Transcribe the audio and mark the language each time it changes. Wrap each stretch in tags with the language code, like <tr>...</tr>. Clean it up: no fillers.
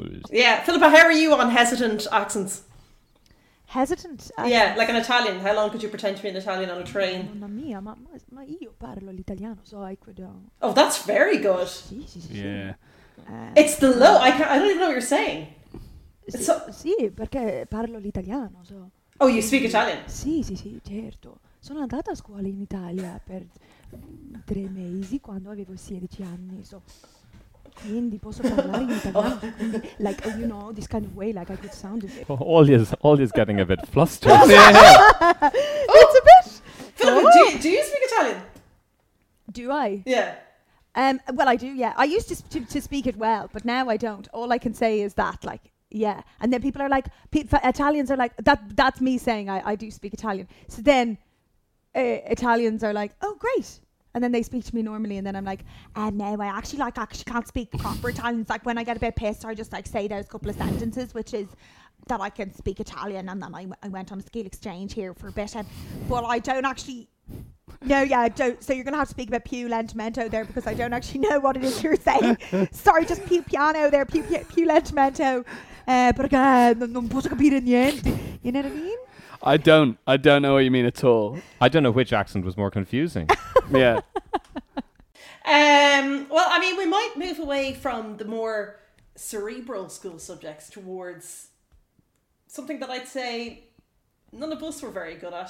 <en>Yeah, Philippa, how are you on hesitant accents? Hesitant? Yeah, like an Italian. How long could you pretend to be an Italian on a train?</en> <it>Mamma mia, ma io parlo l'italiano,</it> <en>so I could... Oh, that's very good. Yeah. It's the low. I don't even know what you're saying.</en> <it>Sì, perché parlo l'italiano.</it> <en>So. Oh, you speak Italian?</en> <it>Sì, certo. Sono andata a scuola in Italia per 3 mesi quando avevo 16 anni. So. Quindi posso parlare in italiano.</it> <en>Oh. Quindi, like, you know, this kind of way, like I could sound it. All is getting a bit flustered. It's a bit. Philip, do you speak Italian? Do I? Yeah. Well, I do, yeah. I used to speak it well, but now I don't. All I can say is that, like, yeah, and then people are like, Italians are like, that's me saying I do speak Italian. So then Italians are like, oh, great. And then they speak to me normally, and then I'm like, no, I actually can't speak proper Italian. It's like when I get a bit pissed, I just like say those couple of sentences, which is that I can speak Italian, and then I went on a skill exchange here for a bit. But I don't actually... No, yeah, I don't. So you're going to have to speak about</en> <it>Pew Lentimento</it> <en>there because I don't actually know what it is you're saying. Sorry, just</en> <it>Pew Piano</it> <en>there,</en> <it>Pew Lentimento. Perché non posso capire niente.</it> <en>You know what I mean? I don't know what you mean at all. I don't know which accent was more confusing. Yeah. Well, I mean, we might move away from the more cerebral school subjects towards something that I'd say none of us were very good at.</en>